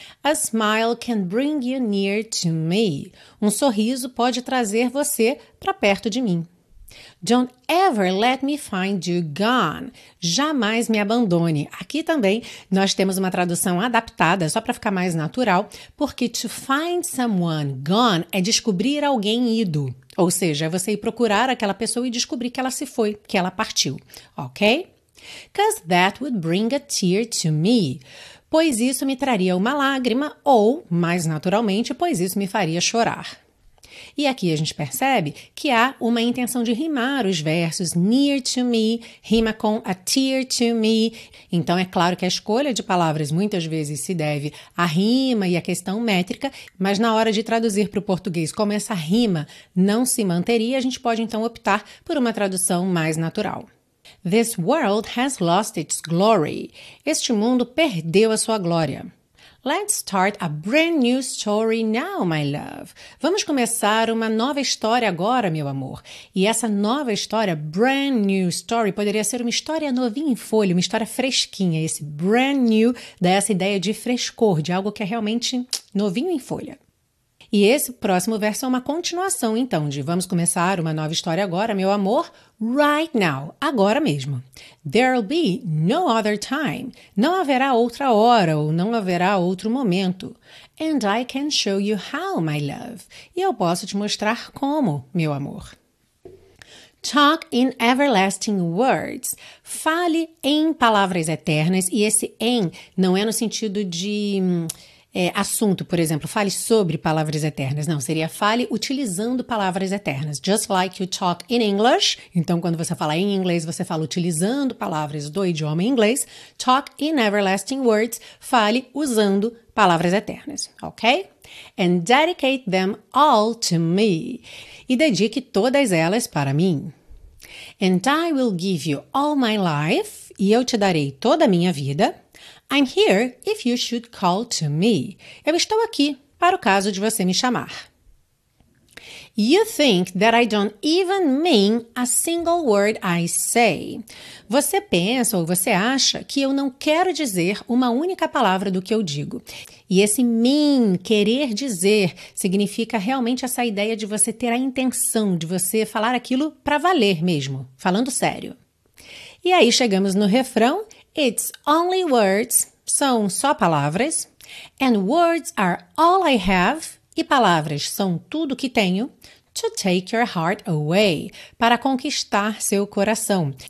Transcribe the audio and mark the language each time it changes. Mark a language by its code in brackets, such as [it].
[en] A smile can bring you near to me. [pt] Um sorriso pode trazer você para perto de mim. [en] Don't ever let me find you gone. [pt] Jamais me abandone. Aqui também nós temos uma tradução adaptada, só para ficar mais natural, porque [en] to find someone gone [pt] é descobrir alguém ido. Ou seja, é você ir procurar aquela pessoa e descobrir que ela se foi, que ela partiu. Ok? [en] Because that would bring a tear to me. [pt] Pois isso me traria uma lágrima ou, mais naturalmente, pois isso me faria chorar. E aqui a gente percebe que há uma intenção de rimar os versos. [en] Near to me [pt] rima com [en] a tear to me. [pt] Então é claro que a escolha de palavras muitas vezes se deve à rima e à questão métrica, mas na hora de traduzir para o português como essa rima não se manteria, a gente pode então optar por uma tradução mais natural. [en] This world has lost its glory. [pt] Este mundo perdeu a sua glória. [en] Let's start a brand new story now, my love. [pt] Vamos começar uma nova história agora, meu amor. E essa nova história, [en] brand new story, [pt] poderia ser uma história novinha em folha, uma história fresquinha. Esse brand new dá essa ideia de frescor, de algo que é realmente novinho em folha. E esse próximo verso é uma continuação, então, de vamos começar uma nova história agora, meu amor, [en] right now, [pt] agora mesmo. [en] There'll be no other time. [pt] Não haverá outra hora ou não haverá outro momento. [en] And I can show you how, my love. [pt] E eu posso te mostrar como, meu amor. [en] Talk in everlasting words. [pt] Fale em palavras eternas. E esse em não é no sentido de assunto, por exemplo, fale sobre palavras eternas. Não, seria fale utilizando palavras eternas. [en] Just like you talk in English. [pt] Então, quando você fala em inglês, você fala utilizando palavras do idioma inglês. [en] Talk in everlasting words. [pt] Fale usando palavras eternas, ok? [en] And dedicate them all to me. [pt] E dedique todas elas para mim. [en] And I will give you all my life. [pt] E eu te darei toda a minha vida. [en] I'm here if you should call to me. [pt] Eu estou aqui para o caso de você me chamar. [en] You think that I don't even mean a single word I say. [pt] Você pensa ou você acha que eu não quero dizer uma única palavra do que eu digo. E esse mean, querer dizer, significa realmente essa ideia de você ter a intenção, de você falar aquilo pra valer mesmo, falando sério. E aí chegamos no refrão, [en] it's only words, [pt] são só palavras, [en] and words are all I have, [pt] e palavras são tudo que tenho, [en] to take your heart away, [pt] para conquistar seu coração.